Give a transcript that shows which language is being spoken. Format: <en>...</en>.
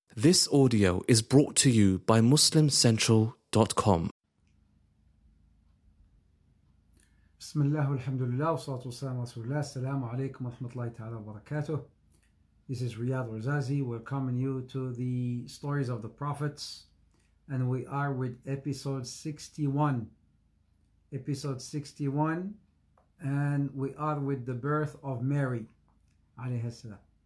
<en>This audio is brought to you by MuslimCentral.com.</en> <ar>بسم الله والحمد لله والصلاة والسلام على رسول الله. السلام عليكم ورحمة الله تعالى وبركاته.</ar> <en>This is Riyad Razazi welcoming you to the Stories of the Prophets, and we are with episode 61. Episode 61, and we are with the birth of Mary</en> <ar>عليه السلام.</ar>